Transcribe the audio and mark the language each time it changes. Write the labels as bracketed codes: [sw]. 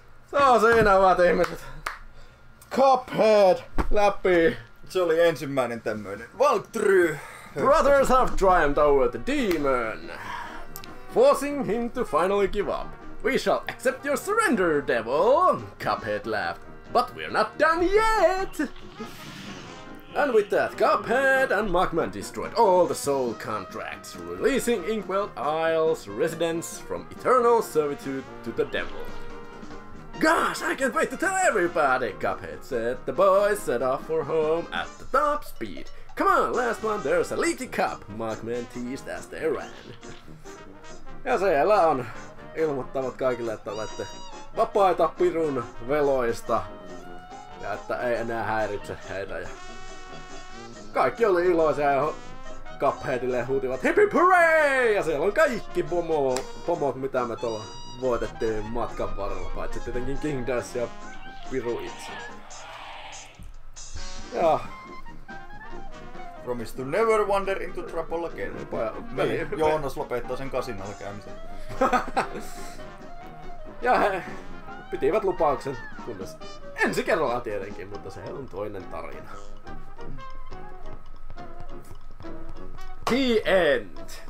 [fi] Se on siinä, hyvät ihmiset. Cuphead läpi. Se oli ensimmäinen tämmöinen. [en] Walkthrough. Brothers have triumphed over the demon. Forcing him to finally give up. We shall accept your surrender, devil. Cuphead laughed. But we're not done yet. And with that, Cuphead and Magman destroyed all the soul contracts, releasing Inkwell Isle's residents from eternal servitude to the devil. Gosh, I can't wait to tell everybody, Cuphead said. The boys set off for home at the top speed. Come on, last one, there's a leaky cup, Magman teased as they ran. [fi] Ja siellä on ilmoittanut kaikille, että olette vapaita pirun veloista. Ja että ei enää häiritse heitä. Kaikki oli iloisia ja Cupheadille huutivat hip hooray! Ja siellä on kaikki pomot, mitä me tuolla voitettiin matkan varrella, paitsi tietenkin King Dash ja Piru itse. Ja [en] promise to never wander into trouble again. [fi] Joonas lopettaa sen kasinalla käymisen. Ja he pitivät lupauksen, kunnes ensi kerralla tietenkin, mutta se on toinen tarina. [en] The end!